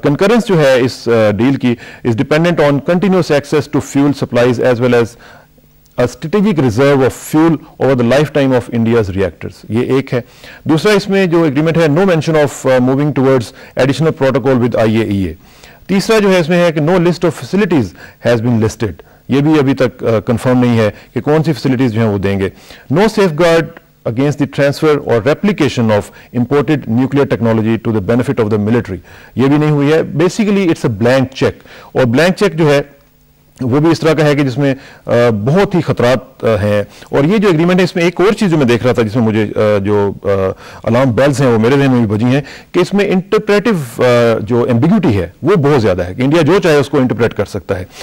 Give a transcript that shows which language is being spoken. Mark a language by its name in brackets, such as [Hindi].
[English] concurrence [Hindi] jo hai is deal ki [English] is dependent on continuous access to fuel supplies as well as a strategic reserve of fuel over the lifetime of India's reactors। [Hindi] ये एक है। दूसरा इसमें जो agreement है [English] no mention of moving towards additional protocol with IAEA। [Hindi] तीसरा जो है इसमें है कि [English] no list of facilities has been listed। [Hindi] ये भी अभी तक confirm नहीं है कि कौन सी facilities जो हैं वो देंगे। [English] no safeguard against the transfer or replication of imported nuclear technology to the benefit of the military। [Hindi] ये भी नहीं हुई है। [English] basically it's a blank check। [Hindi] और blank check जो है वो भी इस तरह का है कि जिसमें बहुत ही खतरात हैं। और ये जो एग्रीमेंट है इसमें एक और चीज़ जो मैं देख रहा था जिसमें मुझे जो अलार्म बेल्स हैं वो मेरे जहन में भी बजी हैं कि इसमें इंटरप्रेटिव जो एम्बिग्यूटी है वो बहुत ज़्यादा है कि इंडिया जो चाहे उसको इंटरप्रेट कर सकता है।